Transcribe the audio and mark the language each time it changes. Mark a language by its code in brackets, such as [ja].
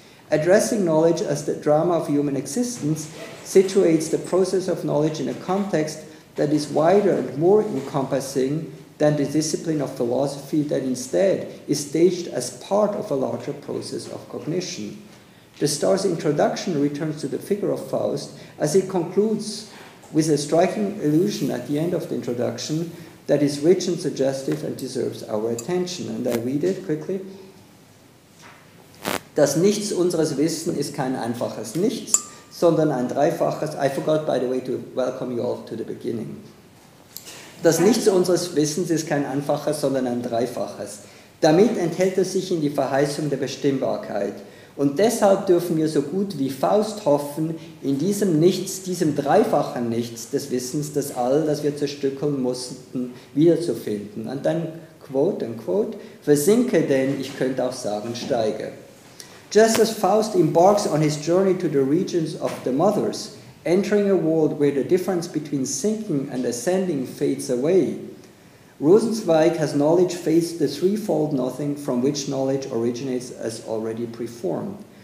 [en] Addressing knowledge as the drama of human existence situates the process of knowledge in a context that is wider and more encompassing than the discipline of philosophy that instead is staged as part of a larger process of cognition. The Star's introduction returns to the figure of Faust as it concludes with a striking allusion at the end of the introduction that is rich and suggestive and deserves our attention. And I read it quickly. [de] Das Nichts unseres Wissens ist kein einfaches Nichts, sondern ein dreifaches. [en] I forgot, by the way, to welcome you all to the beginning. [de] Das Nichts unseres Wissens ist kein einfaches, sondern ein dreifaches. Damit enthält es sich in die Verheißung der Bestimmbarkeit. Und deshalb dürfen wir so gut wie Faust hoffen, in diesem Nichts, diesem dreifachen Nichts des Wissens, das All, das wir zerstückeln mussten, wiederzufinden. Und dann, [en] quote, unquote, [de] versinke denn, ich könnte auch sagen, steige. [en] Just as Faust embarks on his journey to the regions of the mothers, entering a world where the difference between sinking and ascending fades away, Rosenzweig has knowledge faced the threefold nothing from which knowledge originates as already preformed.